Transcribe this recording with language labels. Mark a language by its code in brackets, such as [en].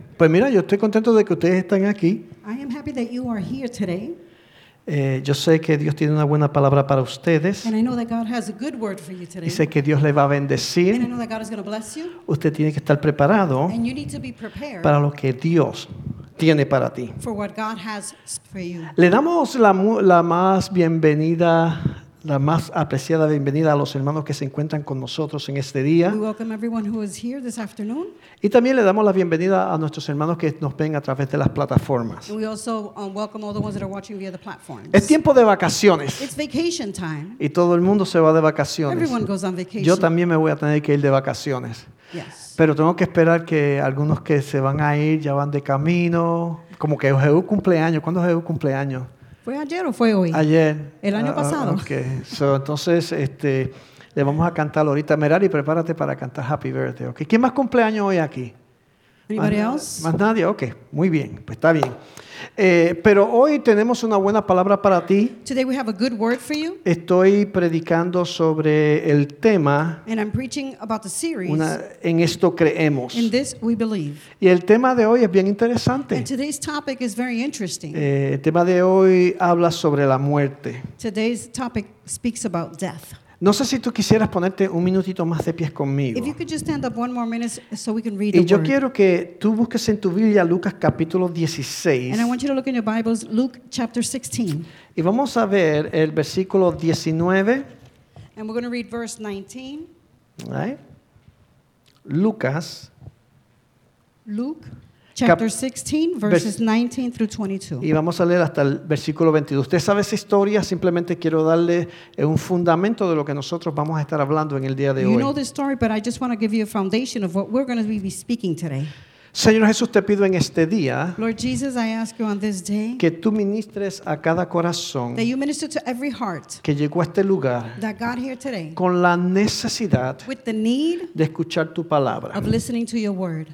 [es] Pues mira, yo estoy contento de que ustedes están aquí. [en] I am happy that you are here today. [es] Yo sé que Dios tiene una buena palabra para ustedes. [en] And I know that God has a good word for you today. [es] Y sé que Dios le va a bendecir. [en] And I know that God is going to bless you. [es] Usted tiene que estar preparado. [en] And you need to be prepared. [es] Para lo que Dios tiene para ti. [en] For what God has for you. [es] Le damos la más bienvenida, la más apreciada bienvenida a los hermanos que se encuentran con nosotros en este día. [en] We welcome everyone who is here this afternoon. [es] Y también le damos la bienvenida a nuestros hermanos que nos ven a través de las plataformas. [en] We also welcome all the ones that are watching via the platforms. [es] Es tiempo de vacaciones. [en] It's vacation time. [es] Y todo el mundo se va de vacaciones. [en] Everyone goes on vacation. [es] Yo también me voy a tener que ir de vacaciones. [en] Yes. [es] Pero tengo que esperar que algunos que se van a ir ya van de camino. Como que Jehú cumpleaños. ¿Cuándo Jehú cumpleaños? ¿Fue ayer o fue hoy? Ayer. El año pasado. [en] Okay. So, [es] entonces, le vamos a cantar ahorita. Merari, prepárate para cantar Happy Birthday. Okay. ¿Quién más cumpleaños hoy aquí? [en] ¿Anybody else? [es] ¿Más nadie? Ok, muy bien. Pues está bien. Pero hoy tenemos una buena palabra para ti. [en] Today we have a good word for you. [es] Estoy predicando sobre el tema. [en] And I'm preaching about the series. [es] En esto creemos. [en] In this we believe. [es] Y el tema de hoy es bien interesante. [en] And today's topic is very interesting. [es] El tema de hoy habla sobre la muerte. [en] Today's topic speaks about death. [es] No sé si tú quisieras ponerte un minutito más de pies conmigo. [en] If you could just stand up one more minute so we can read the word. [es] Y yo quiero que tú busques en tu Biblia Lucas capítulo 16. [en] And I want you to look in your Bibles, Luke chapter 16. [es] Y vamos a ver el versículo 19. [en] And we're going to read verse 19. Right. Lucas. Luke. Chapter 16, verses 19 through 22. [es] Y vamos a leer hasta el versículo 22. Usted sabe esa historia, simplemente quiero darle un fundamento de lo que nosotros vamos a estar hablando en el día de hoy. [en] You know this story, but I just want to give you a foundation of what we're going to be speaking today. [es] Señor Jesús, te pido en este día, [en] Lord Jesus, I ask you on this day, [es] que tú ministres a cada corazón, [en] that you minister to every heart, [es] que llegó a este lugar, [en] that got here today, [es] con la necesidad, [en] with the need, [es] de escuchar tu palabra, [en] of listening to your word.